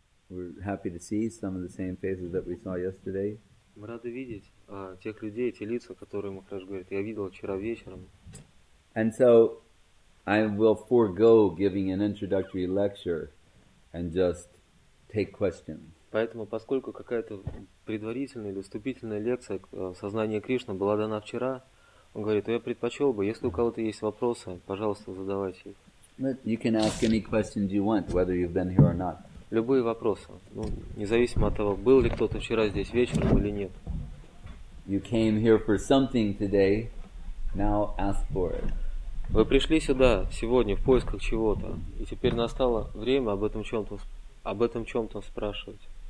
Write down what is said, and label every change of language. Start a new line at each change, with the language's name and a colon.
English: We're happy to see some of the same faces that we saw yesterday.
Russian: Мы рады видеть тех людей, эти лица, которые Махараш говорит, я видел вчера вечером.
English: And so I will forego giving an introductory lecture and just take questions.
Russian: Поэтому, поскольку какая-то предварительная или вступительная лекция сознания Кришны была дана вчера, он говорит, я предпочел бы, если у кого-то есть вопросы, пожалуйста, задавайте их.
English: But you can ask any questions you want, whether you've been here or not.
Russian: Любые вопросы, ну, независимо от того, был ли кто-то вчера здесь вечером или нет.
English: You came here for something today, now ask for it.
Russian: Вы пришли сюда сегодня в поисках чего-то, и теперь настало время об этом чем-то спрашивать.